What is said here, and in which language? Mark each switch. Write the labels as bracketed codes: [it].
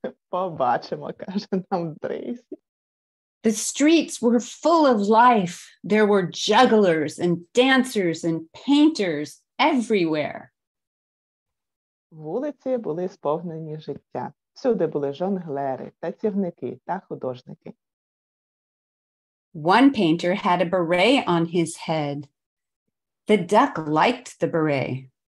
[uk] Побачимо, каже нам Трейсі. [en] The streets were full of life. There were jugglers and dancers and painters everywhere. [uk] Вулиці були сповнені життя. Всюди були жонглери, танцівники та художники. [en] One painter had a beret on his head. The duck liked the beret.